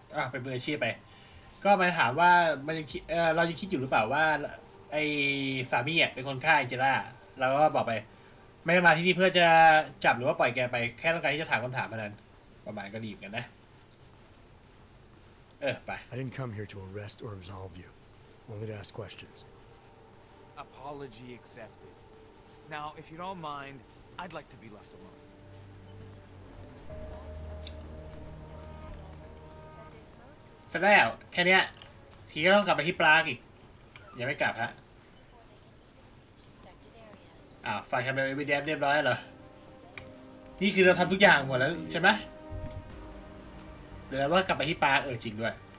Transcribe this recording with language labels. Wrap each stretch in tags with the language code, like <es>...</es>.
<th>เป็นมืออาชีพไปก็มาถามว่ามันยังคิดเรายังคิดอยู่หรือเปล่าว่าไอ้สามีเป็นคนฆ่าแองเจล่าเราก็บอกไปไม่มาที่นี่เพื่อจะจับหรือว่าปล่อยแกไปแค่ต้องการที่จะถามคำถามเท่านั้นประมาณก็ดีกันนะไป</th> <en>I didn't come here to arrest or absolve you only to ask questions apology accepted now if you don't mind I'd like to be left alone</en> <th>เสร็จแล้วแค่นี้ทีก็ต้องกลับไปที่ปลากอีกยังไม่กลับฮะไฟแคมเปญไปแดมเรียบร้อยเหรอนี่คือเราทำทุกอย่างหมดแล้วใช่ไหมเดี๋ยวว่ากลับไปที่ปลาจริงด้วย</th>